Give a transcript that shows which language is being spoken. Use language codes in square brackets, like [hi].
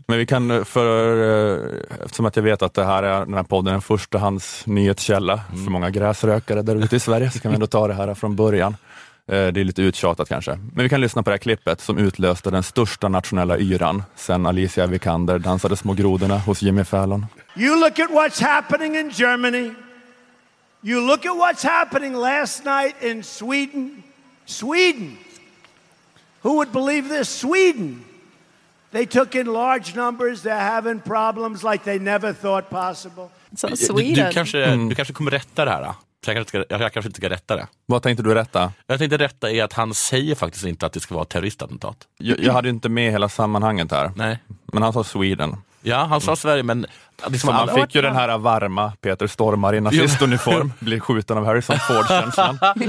[sv] Men vi kan, eftersom att jag vet att det här är, den här podden är en förstahands nyhetskälla för många gräsrökare där ute i Sverige, så kan vi ändå ta det här från början. Det är lite uttjatat kanske. Men vi kan lyssna på det här klippet som utlöste den största nationella yran sen Alicia Vikander dansade små grodorna hos Jimmy Fallon. [en] You look at what's happening in Germany. You look at what's happening last night in Sweden. Sweden. Who would believe this? Sweden. They took in large numbers. They're having problems like they never thought possible. So Sweden. [sv] Du kanske kommer rätta det här. Jag kanske inte ska rätta det. Vad tänkte du rätta? Jag tänkte rätta är att han säger faktiskt inte att det ska vara terroristattentat. Jag hade inte med hela sammanhanget här. Nej. Men han sa Sweden. Ja, han sa Sverige, men liksom, man fick ju den här varma Peter Stormare i nazistuniform blir skjuten av Harrison Ford-känslan.